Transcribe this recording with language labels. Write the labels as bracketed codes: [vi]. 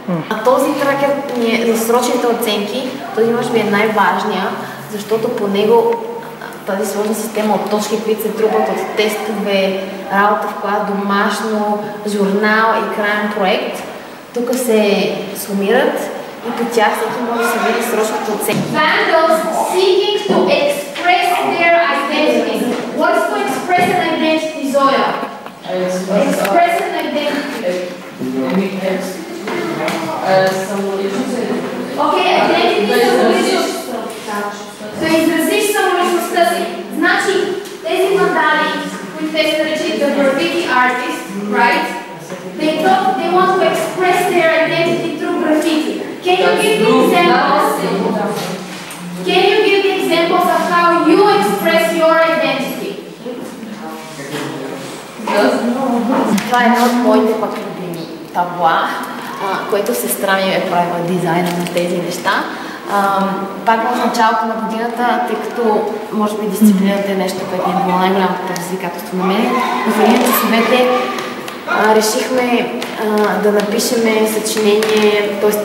[bg] А този тракер ми е за срочните оценки, този може би е най-важния, защото по него тази сложна система от точки, които се трупат от тестове, работа в клас, домашно, журнал и крайен проект, тук се сумират и по тях всеки може да се види срочните оценки. [en] Vandals seeking to express their identity. What's to express an identity, Zoya? Express an identity. Okay, identity is religious. [bg] So изразиш самоличността си. Значи, тези мандали, които те се наричат [en] the graffiti artists, right? They want to express their identity through graffiti. Can you give me examples? Can you give me examples of how you express your identity? [bg] Това е една от моите пък любими табла, което сестра ми е правила дизайна на тези неща. Пак в началото на годината, тъй като може би дисциплината е нещо, което е било най-голямо предизвикателство на мен, в един от съвете решихме да напишем съчинение, т.е.